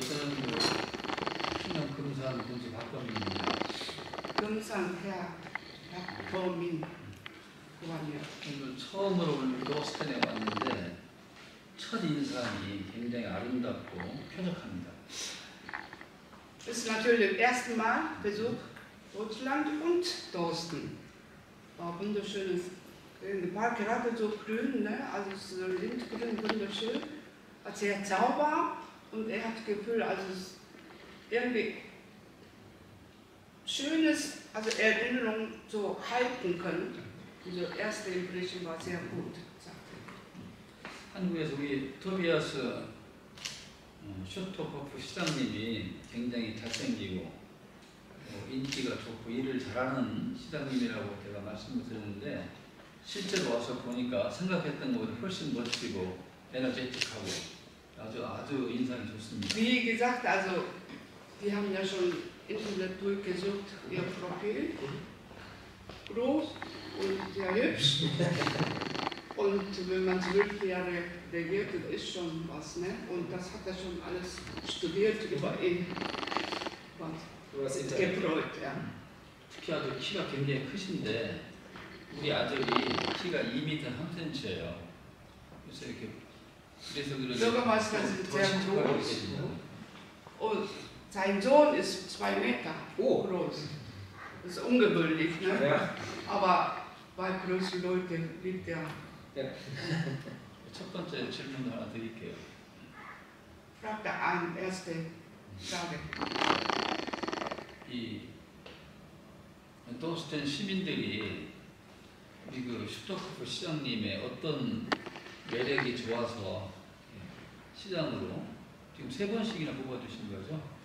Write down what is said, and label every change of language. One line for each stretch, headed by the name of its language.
Korean: 저는 충남 금산 본지 박범민입니다. 금산 박범민 고맙습니다. 처음으로 오늘 로스텐에 왔는데 첫 인상이 굉장히 아름답고 쾌적합니다.
German: Es ist natürlich das erste Mal Besuch Deutschland und Dorsten. War wunderschön. Der Park gerade so grün, ne? Also so lindgrün, wunderschön. Also sehr sauber und er hat Gefühl, also es ist irgendwie schönes, also Erinnerung so halten können. Diese erste Impression war sehr gut, sagte er.
Korean: 한국에서 우리 토비아스 쇼토커프 시장님이 굉장히 잘생기고 인기가 좋고 일을 잘하는 시장님이라고 제가 말씀을 드렸는데 실제로 와서 보니까 생각했던 것보다 훨씬 멋지고 에너제틱하고 아주 아주 인상이 좋습니다.
German: Wie gesagt, also wir haben ja schon im Internet durchgesucht ihr Profil. Groß und sehr hübsch. Und wenn man 12 Jahre regiert, ist schon was, ne? Und das hat er schon alles studiert über ihn. Gefreut, ja.
Korean: 특히 아들 키가 굉장히 크신데 우리 아들이 키가 2m 3cm예요. 그래서 이렇게 그래서 그런지 더 멋있다고 하시고.
German: Und sein Sohn ist 2 Meter groß. Das ist ungewöhnlich, ne? Ja. Aber bei großen Leuten liegt er. Ja.
Korean: 첫 번째 질문 하나 드릴게요.
German: Fragt er an, erste Frage.
Korean: 이 도스턴 시민들이 미국 슈토커프 시장님의 어떤 매력이 좋아서 시장으로 지금 세 번씩이나 뽑아주신 거죠?